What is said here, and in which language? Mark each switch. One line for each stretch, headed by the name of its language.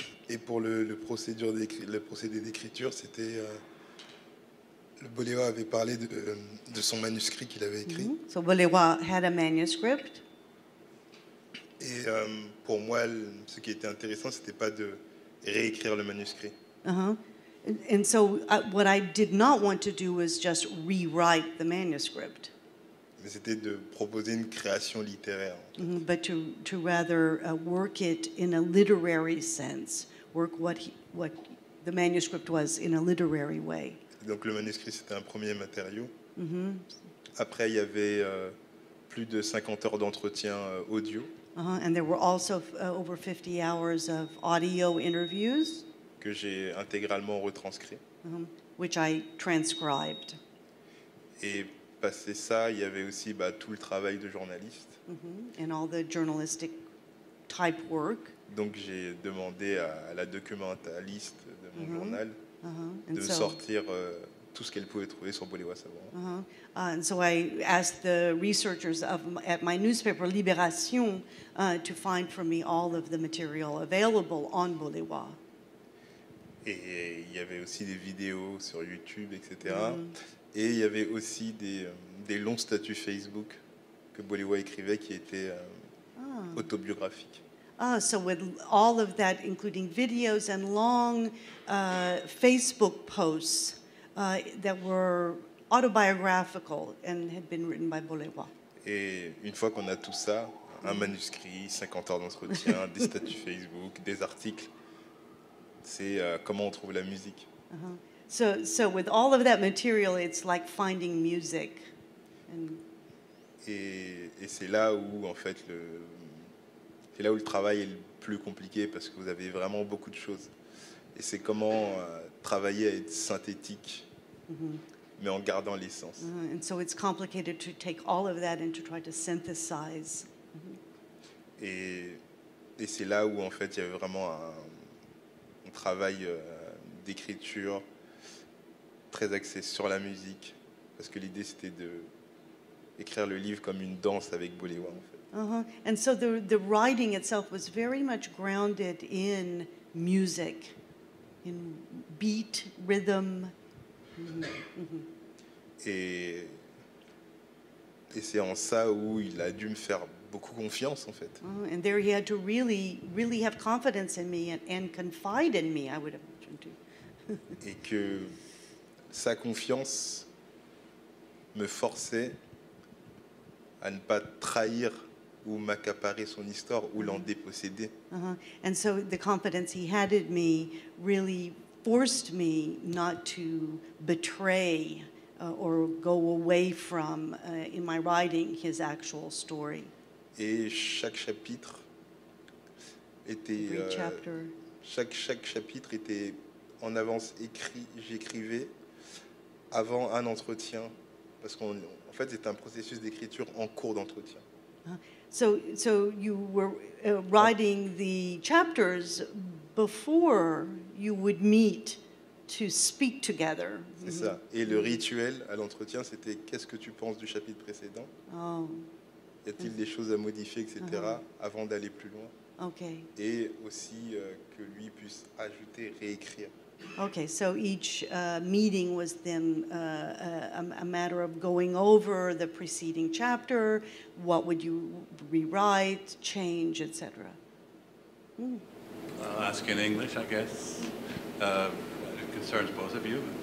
French: Et pour le procédé d'écriture, c'était le Bolewa avait parlé de son manuscrit qu'il avait écrit. Mm-hmm.
English: So Bolewa had a manuscript.
French: Et pour moi, ce qui était intéressant, c'était pas de réécrire le manuscrit.
English: And so what I did not want to do was just rewrite the manuscript.
French: Mais c'était de proposer une création littéraire. En fait. Mm-hmm.
English: But to rather work it in a literary sense, work what the manuscript was in a literary way.
French: Donc le manuscrit, c'était un premier matériau. Mm-hmm. Après, il y avait plus de 50 heures d'entretien audio.
English: And there were also over 50 hours of audio interviews.
French: Que j'ai intégralement retranscrit.
English: Mm-hmm. Which I transcribed.
French: Et passé ça, il y avait aussi tout le travail de journaliste.
English: Mm-hmm. And all the journalistic type work.
French: Donc j'ai demandé à la documentaliste de mon journal de sortir tout ce qu'elle pouvait trouver sur Bolewa Savoir.
English: And so I asked the researchers at my newspaper Libération to find for me all of the material available on Bolewa.
French: Et il y avait aussi des vidéos sur YouTube, etc. Et il y avait aussi des longs statuts Facebook que Bolewa écrivait qui étaient autobiographiques.
English: Ah, so with all of that, including videos and long Facebook posts that were autobiographical and had been written by Bolewa.
French: Et une fois qu'on a tout ça, un manuscrit, 50 heures d'entretien, des statuts Facebook, des articles, c'est comment on trouve la musique.
English: So with all of that material, it's like finding music.
French: Et c'est là où, en fait, c'est là où le travail est le plus compliqué, parce que vous avez vraiment beaucoup de choses. Et c'est comment travailler à être synthétique, mais en gardant l'essence.
English: And so it's complicated to take all of that and to try to synthesize.
French: Et c'est là où, en fait, il y a vraiment un travail d'écriture très axé sur la musique, parce que l'idée, c'était de écrire le livre comme une danse avec Bolewa, en fait.
English: And so the writing itself was very much grounded in music, in beat, rhythm.
French: Et c'est en ça où il a dû me faire beaucoup confiance, en fait.
English: And there he had to really, really have confidence in me and confide in me, I would imagine too.
French: Et que sa confiance me forçait à ne pas trahir ou m'accaparer son histoire ou l'en déposséder.
English: And so the confidence he had in me really forced me not to betray or go away from in my writing his actual story.
French: Et chaque chapitre était chaque chapitre était en avance écrit, j'écrivais avant un entretien, parce qu'on en fait c'est un processus d'écriture en cours d'entretien.
English: So you were writing the chapters before you would meet to speak together.
French: C'est ça. Et le rituel à l'entretien, c'était qu'est-ce que tu penses du chapitre précédent? Oh. Y a-t-il des choses à modifier, etc., avant d'aller plus loin?
English: Okay.
French: Et aussi que lui puisse ajouter, réécrire.
English: Okay, so each meeting was then a matter of going over the preceding chapter, what would you rewrite, change, etc. ask in English, I guess. It concerns both of you.